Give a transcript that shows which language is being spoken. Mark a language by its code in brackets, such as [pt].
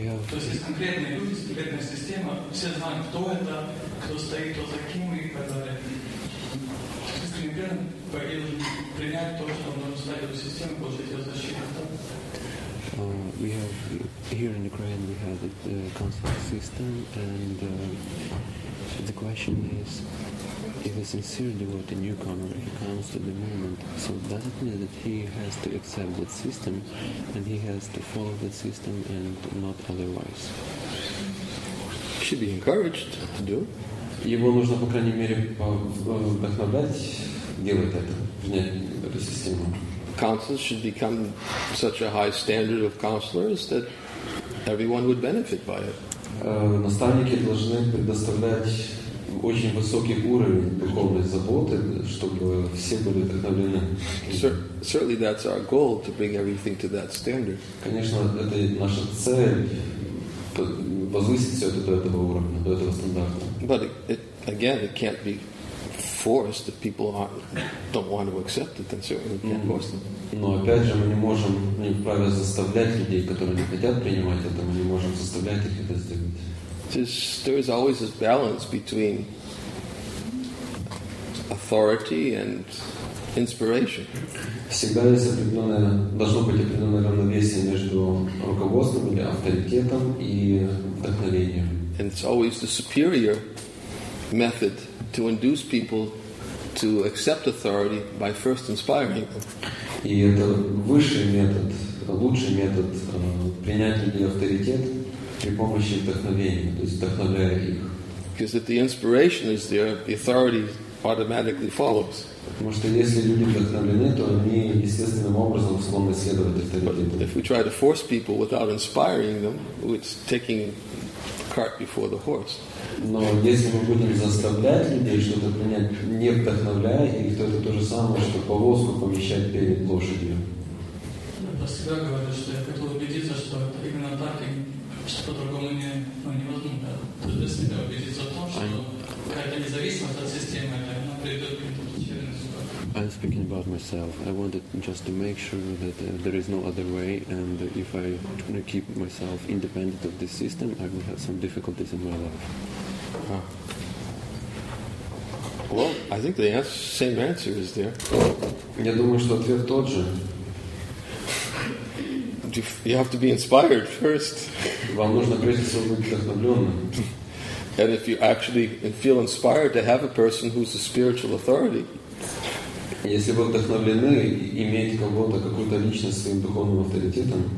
[ru] То есть есть конкретные люди, конкретная система, все знают, кто это, кто стоит, кто за кем и так далее. Искренне преданы, поедут принять то, что нужно встать в эту систему, получить ее защиту. [en] We have here in Ukraine we have the council system, and the question is, if a sincere devotee newcomer he comes to the movement, so does it mean that he has to accept that system and he has to follow the system and not otherwise? He should be encouraged to do. [ru] Его нужно по крайней мере вдохновлять делать это, принять эту систему. [en] Counselors should become such a high standard of counselors that everyone would benefit by it. [ru] Наставники должны предоставлять очень высокий уровень духовной заботы, чтобы все были вдохновлены. [en] Certainly, that's our goal, to bring everything to that standard. [ru] Конечно, это наша цель, возвысить все это до этого уровня, до этого стандарта. [en] But it can't be forced if people don't want to accept it, then certainly can't force them. [ru] Но опять же, мы не можем не вправе заставлять людей, которые не хотят принимать это, мы не можем заставлять их это сделать. [en] There is always this balance between authority and inspiration. [ru] Всегда есть определенное, должно быть определенное равновесие между руководством или авторитетом и вдохновением. [en] And it's always the superior method to induce people to accept authority by first inspiring them. [ru] И это высший метод, лучший метод принять людей авторитет при помощи вдохновения, то есть вдохновляя их. [en] Because if the inspiration is there, the authority automatically follows. [ru] Потому что если люди вдохновлены, то они естественным образом склонны следовать авторитету. [en] If we try to force people without inspiring them, it's taking the cart before the horse. [ru] Но если мы будем заставлять людей что-то принять, не вдохновляя их, то это то же самое, что повозку помещать перед лошадью. Я про себя говорю, что я хотел убедиться, что это именно так, и что по-другому невозможно. То есть для себя убедиться в том, что какая-то независимость от системы, она приведет к этому. [en] I'm speaking about myself. I wanted just to make sure that there is no other way, and if I keep myself independent of this system, I will have some difficulties in my life. Huh. Well, I think the same answer is there. [ru] Я думаю, что ответ тот же. [en] You have to be inspired first. [ru] Вам нужно прежде всего быть вдохновленным. [en] And if you actually feel inspired to have a person who's a spiritual authority, [ru] если вы вдохновлены иметь кого-то, какую-то личность своим духовным авторитетом,